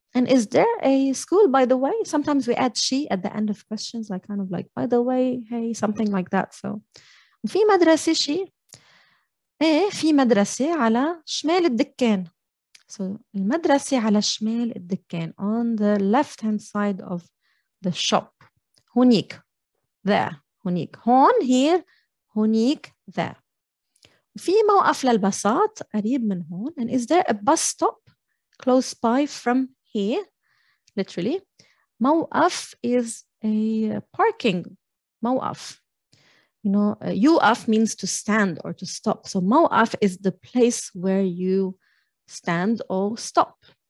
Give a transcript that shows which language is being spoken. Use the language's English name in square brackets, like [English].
[English] And is there a school, by the way? Sometimes we add she at the end of questions, like kind of like, by the way, hey, something like that. So, [Arabic] في مدرسة شي. إيه, في مدرسة على شمال الدكان. [English] So, [Arabic] المدرسة على شمال الدكان. [English] On the left-hand side of the shop. [Arabic] هونيك. [English] There. [Arabic] هونيك. هون, [English] here. [Arabic] هونيك, [English] there. [Arabic] في موقف للباصات قريب من هون. [English] And is there a bus stop close by from here, literally. موقف is a parking. موقف. You know, يوقف means to stand or to stop. So موقف is the place where you stand or stop.